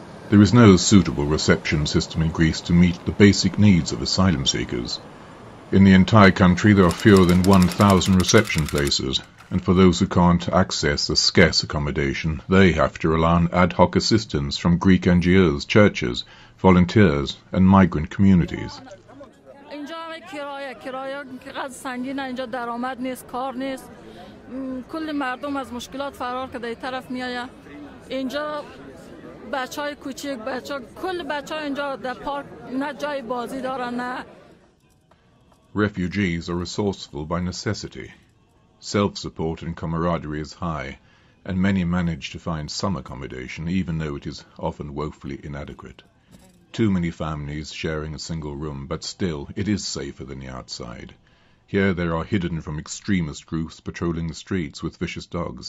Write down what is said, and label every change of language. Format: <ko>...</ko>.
<en>There is no suitable reception system in Greece to meet the basic needs of asylum seekers. In the entire country, there are fewer than 1,000 reception places, and for those who can't access a scarce accommodation, they have to rely on ad hoc assistance from Greek NGOs, churches, volunteers and migrant communities.</en> <fa>اینجا کرایه کرایه قد سنگین اینجا درآمد نیست کار نیست کلی مردم از مشکلات فرار کرده این طرف میآیه اینجا بچهای کوچیک بچا کل بچا اینجا در پارک نه جای بازی دارن نه.</fa> <en>Refugees are resourceful by necessity. Self-support and camaraderie is high, and many manage to find some accommodation even though it is often woefully inadequate. Too many families sharing a single room, but still, it is safer than the outside. Here there are hidden from extremist groups patrolling the streets with vicious dogs.</en>